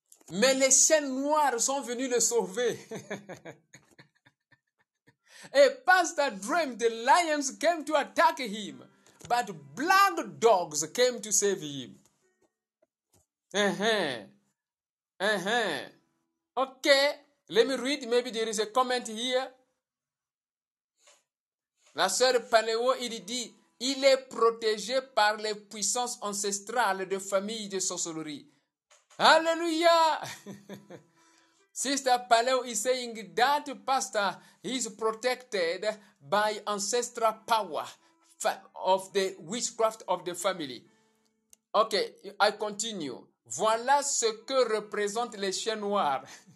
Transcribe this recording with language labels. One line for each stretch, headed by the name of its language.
French: Mais les chiens noirs sont venus le sauver.
English: A pastor dreamed the lions came to attack him. But black dogs came to save him. Okay, let me read. Maybe there is a comment here.
French: La sœur Paléo, il dit, il est protégé par les puissances ancestrales de famille de sorcellerie. Alléluia!
English: Sister Paléo is saying that pastor is protected by ancestral power of the witchcraft of the family. Okay, I continue.
French: Voilà ce que représentent les chiens noirs.